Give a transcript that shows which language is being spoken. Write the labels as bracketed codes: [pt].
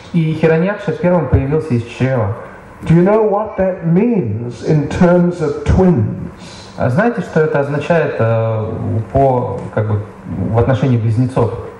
[ru] И Хираньякша первым появился из чрева. [en] Do you know what that means in terms of twins? [ru] А знаете, что это означает по как бы в отношении близнецов?